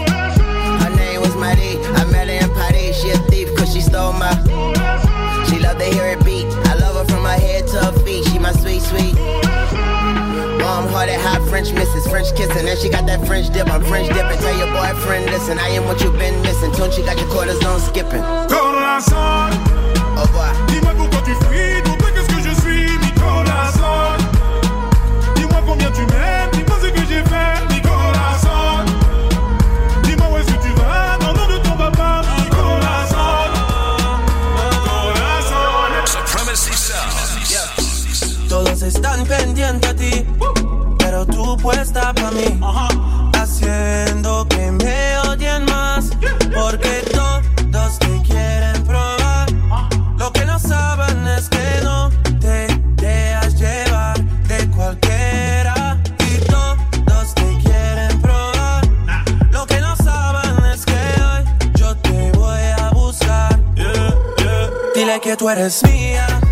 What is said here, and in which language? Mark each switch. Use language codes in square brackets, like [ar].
[en] Her name was Marie, I met her in Paris. She a thief cause she stole my. She love to hear it beat. I love her from my head to her feet. She my sweet, sweet. Warm-hearted, hot French missus, French kissing, and she got that French dip. I'm French dipping. Tell your boyfriend, listen, I am what you've been missing. Don't you got your quarters on skipping? [es] Corazón. [en] Oh boy. [fr] Dis-moi pourquoi tu fuis, pourquoi qu'est-ce que je suis, [es] mi corazón. [fr] Dis-moi combien tu m'aimes, dis-moi ce que j'ai fait, [es] mi corazón. [fr] Dis-moi où est-ce que tu vas, dans le nom de ton papa, [es] mi corazón. Corazón. [en] Supremacy sounds. [es] Todos están pendientes a ti, pero tú puesta pa' mí, haciendo que me odien más, porque todos te quieren probar, lo que no saben es que no te dejas llevar de cualquiera, y todos te quieren probar, lo que no saben es que hoy yo te voy a buscar, dile que tú eres mía.